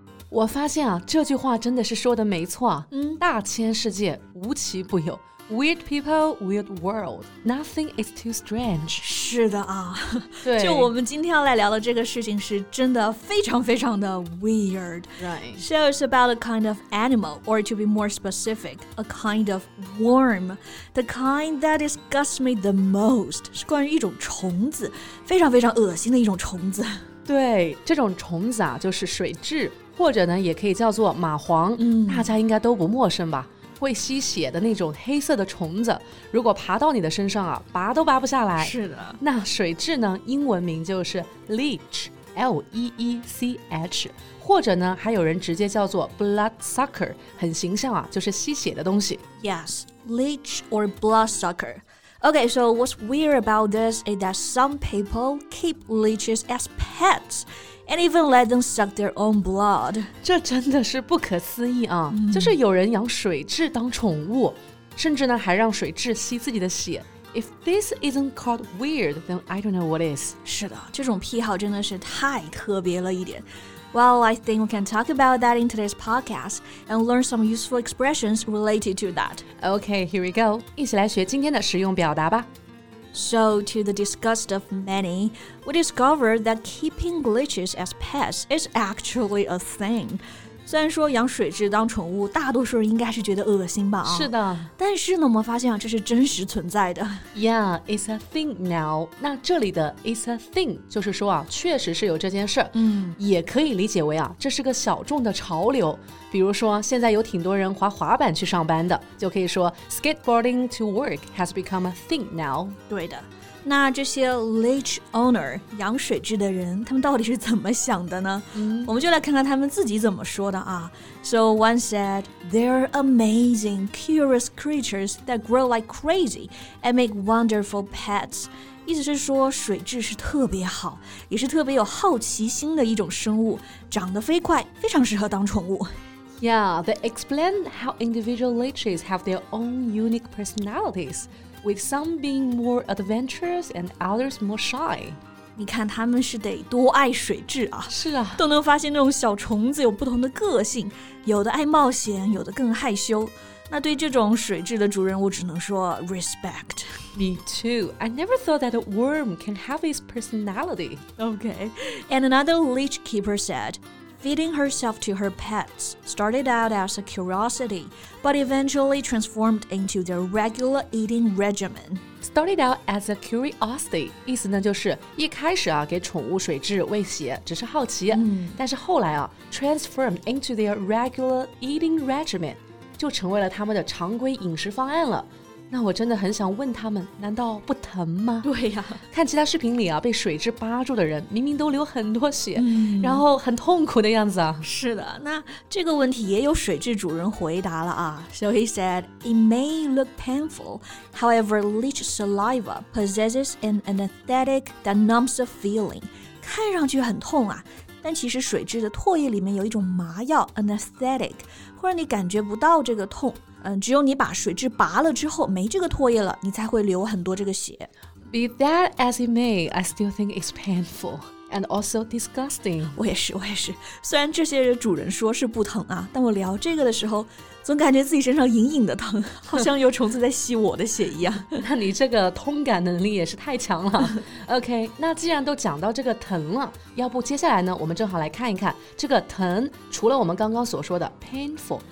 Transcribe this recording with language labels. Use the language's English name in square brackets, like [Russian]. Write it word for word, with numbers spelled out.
[Chinese] 我发现啊，这句话真的是说的没错。嗯，大千世界无奇不有 ， [English] Weird people, weird world. Nothing is too strange. [Chinese] 是的啊，对，就我们今天要来聊的这个事情是真的非常非常的 weird. [English] Right. So it's about a kind of animal, or to be more specific, a kind of worm, the kind that disgusts me the most. [Chinese] 是关于一种虫子，非常非常恶心的一种虫子。对，这种虫子啊，就是水蛭，或者呢，也可以叫做蚂蟥，嗯，大家应该都不陌生吧？会吸血的那种黑色的虫子，如果爬到你的身上啊，拔都拔不下来。是的。那水蛭呢，英文名就是 leech, L-E-E-C-H， 或者呢，还有人直接叫做 bloodsucker， 很形象啊，就是吸血的东西。 [English] Yes, leech or bloodsucker. Okay, so what's weird about this is that some people keep leeches as pets and even let them suck their own blood. [Chinese] 这真的是不可思议啊！嗯、就是有人养水蛭当宠物，甚至呢还让水蛭吸自己的血。 [English] If this isn't called weird, then I don't know what is. [Chinese] 是的，这种癖好真的是太特别了一点。 [English] Well, I think we can talk about that in today's podcast and learn some useful expressions related to that. Okay, here we go. [Chinese] 一起来学今天的实用表达吧。 [English] So, to the disgust of many, we discovered that keeping leeches as pets is actually a thing. [Chinese] 虽然说养水蛭当宠物，大多数人应该是觉得恶心吧、啊？是的。但是呢，我们发现啊，这是真实存在的。 [English] Yeah, it's a thing now. [Chinese] 那这里的 [English] it's a thing [Chinese] 就是说啊，确实是有这件事。嗯，也可以理解为啊，这是个小众的潮流。比如说，现在有挺多人滑滑板去上班的，就可以说 [English] skateboarding to work has become a thing now. [Chinese] 对的。那这些 leech owner 养水蛭的人，他们到底是怎么想的呢？嗯、我们就来看看他们自己怎么说的啊。 [English] So one said, "They're amazing, curious creatures that grow like crazy and make wonderful pets." [Chinese] 意思是说，水蛭是特别好，也是特别有好奇心的一种生物，长得飞快，非常适合当宠物。 [English] Yeah, they explained how individual leeches have their own unique personalities. With some being more adventurous and others more shy. [Chinese] 你看他们是得多爱水蛭啊！是啊，都能发现那种小虫子有不同的个性，有的爱冒险，有的更害羞。那对这种水蛭的主人，我只能说 respect. [English] Me too. I never thought that a worm can have its personality. Okay. And another leech keeper said. Feeding herself to her pets started out as a curiosity, but eventually transformed into their regular eating regimen. Started out as a curiosity, [Chinese] 意思呢就是一开始啊给宠物水蛭喂血，只是好奇，嗯、但是后来啊 [English] transformed into their regular eating regimen, [Chinese] 就成为了他们的常规饮食方案了。那我真的很想问他们，难道不疼吗？对呀、啊，看其他视频里啊，被水蛭扒住的人明明都流很多血、嗯，然后很痛苦的样子啊。是的，那这个问题也有水蛭主人回答了啊。 [English] So he said, "It may look painful, however, leech saliva possesses an anesthetic that numbs the feeling." [Chinese] 看上去很痛啊，但其实水蛭的唾液里面有一种麻药 anesthetic， 会让你感觉不到这个痛。嗯，只有你把水蛭拔了之后，没这个唾液了，你才会流很多这个血。 [English] Be that as it may, I still think it's painful and also disgusting. [Chinese] 我也是，我也是。虽然这些主人说是不疼啊，但我聊这个的时候，总感觉自己身上隐隐的疼，好像有虫子在吸我的血一样。那你这个通感能力也是太强了。OK， 那既然都讲到这个疼了，要不接下来呢，我们正好来看一看这个疼，除了我们刚刚所说的 painful。